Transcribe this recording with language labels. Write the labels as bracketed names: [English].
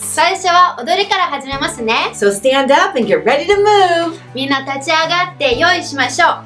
[Japanese] 最初は踊りから始めますね。 [English] So stand up and get ready to move. [Japanese] みんな立ち上がって用意しましょう。